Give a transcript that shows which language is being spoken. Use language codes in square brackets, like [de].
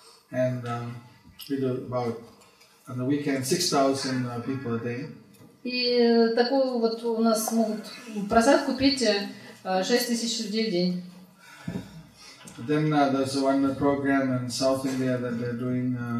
[en] And we do about on the weekend 6,000 people a day. [ru] И такую вот у нас могут просад купить 6,000 людей в день. [en] Then there's one program in South India that they're doing